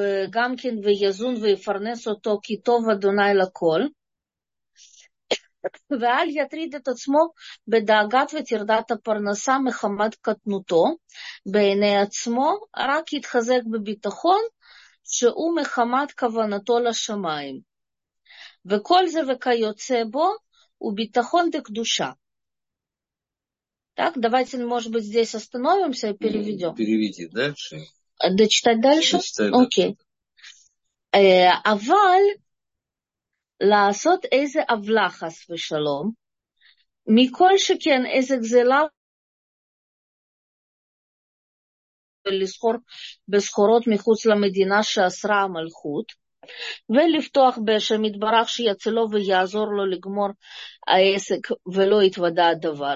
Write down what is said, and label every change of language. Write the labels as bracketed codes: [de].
[he] גם כן ויזון ויפרנס אותו כי טוב אדוני לכל, ואל יטריד את עצמו בדאגת ותרדת הפרנסה מחמת קטנותו, בעיני עצמו רק יתחזק בביטחון, שהוא מחמת כוונתו לשמיים. וכל זה וכיוצא בו הוא ביטחון דקדושה. [ru] Так, давайте, может быть, здесь остановимся и переведем. Переведи дальше. Дочитать дальше? Окей. [he] אבל לעשות איזה עוולה חס ושלום, מכל שכן איזה גזלה ולסחור בסחורות מחוץ למדינה שאסרה המלכות, ולפתוח בשם יתברך שיצלו ויעזור לו לגמור העסק ולא יתוודע הדבר.